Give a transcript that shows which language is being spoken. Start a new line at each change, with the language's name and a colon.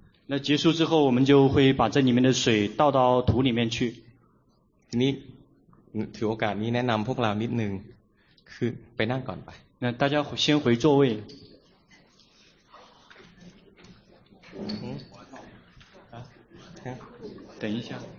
Chinese: 那结束之后我们就会把这里面的水倒到土里面去
Thai: ทีนี้ถือโอกาสนี้แนะนำพวกเรานิดนึงคือไปนั่งก่อนไป
Chinese: 那大家先回座位等一下